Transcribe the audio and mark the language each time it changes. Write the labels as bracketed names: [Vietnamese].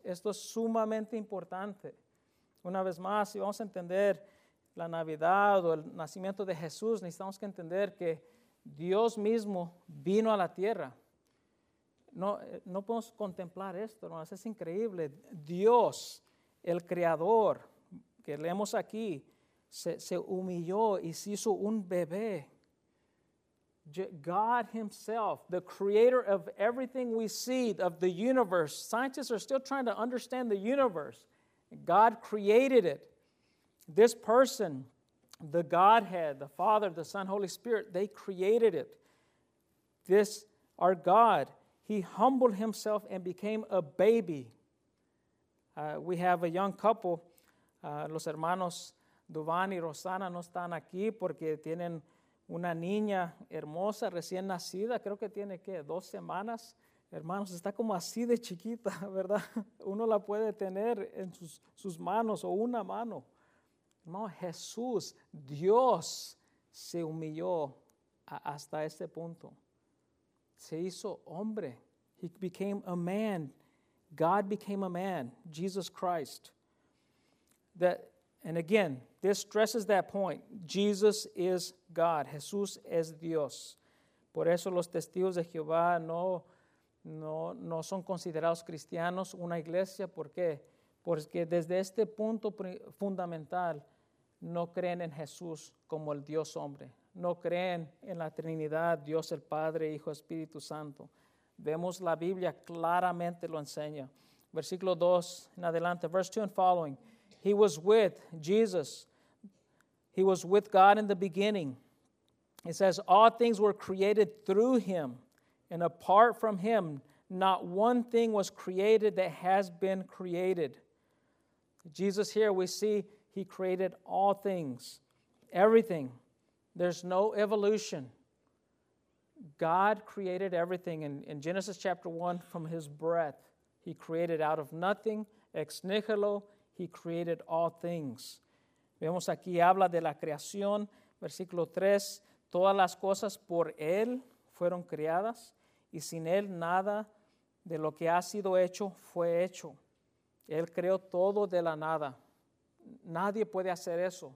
[Spanish] Esto es sumamente importante. Una vez más, si vamos a entender la Navidad o el nacimiento de Jesús, necesitamos que entender que Dios mismo vino a la tierra. No podemos contemplar esto, hermanos, es increíble. Dios, el Creador, que leemos aquí, se humilló y se hizo un bebé. [English] God himself, the creator of everything we see, of the universe. Scientists are still trying to understand the universe. God created it. This person, the Godhead, the Father, the Son, Holy Spirit, they created it. This, our God, he humbled himself and became a baby. We have a young couple, [Spanish] los hermanos Duván y Rosana no están aquí porque tienen una niña hermosa recién nacida, creo que tiene, ¿qué?, 2 semanas. Hermanos, está como así de chiquita, ¿verdad? Uno la puede tener en sus manos o una mano. Hermano, Jesús, Dios, se humilló hasta este punto. Se hizo hombre. [English] He became a man. God became a man, Jesus Christ. And again, this stresses that point. Jesus is God. [Spanish] Jesús es Dios. Por eso los testigos de Jehová no son considerados cristianos, una iglesia. ¿Por qué? Porque desde este punto fundamental no creen en Jesús como el Dios hombre. No creen en la Trinidad, Dios el Padre, Hijo, Espíritu Santo. Vemos la Biblia claramente lo enseña. Versículo 2 en adelante, [English] verse 2 and following. He was with Jesus. He was with God in the beginning. It says, all things were created through him. And apart from him, not one thing was created that has been created. Jesus here, we see he created all things, everything. There's no evolution. God created everything. In Genesis chapter 1, from his breath, he created out of nothing, ex nihilo, he created all things. [Spanish] Vemos aquí, habla de la creación, versículo 3, todas las cosas por él fueron creadas. Y sin él, nada de lo que ha sido hecho fue hecho. Él creó todo de la nada. Nadie puede hacer eso.